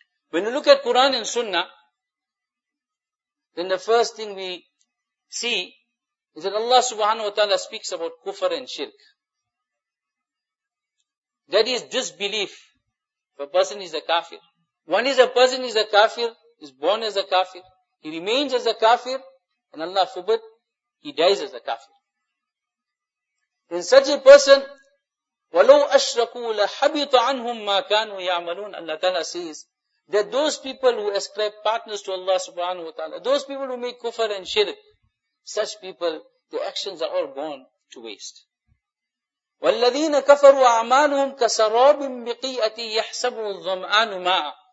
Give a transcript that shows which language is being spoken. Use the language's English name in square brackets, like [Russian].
[English] When you look at Quran and Sunnah, then the first thing we see is that Allah subhanahu wa ta'ala speaks about kufr and shirk. That is disbelief. If a person is a kafir. One is a person is a kafir, is born as a kafir, he remains as a kafir, and Allah forbid, he dies as a kafir. Then such a person, [Arabic] وَلَوْ أَشْرَكُوا لَحَبِطَ عَنْهُمْ مَا كَانُوا يَعْمَلُونَ. [English] Allah Ta'ala says, that those people who ascribe partners to Allah subhanahu wa ta'ala, those people who make kufr and shirk, such people, their actions are all gone to waste. [Arabic] وَالَّذِينَ كَفَرُوا أَعْمَالُهُمْ كَسَرَابٍ بِقِيئَةٍ يَحْسَبُوا الظَّمْآنُ مَاءً.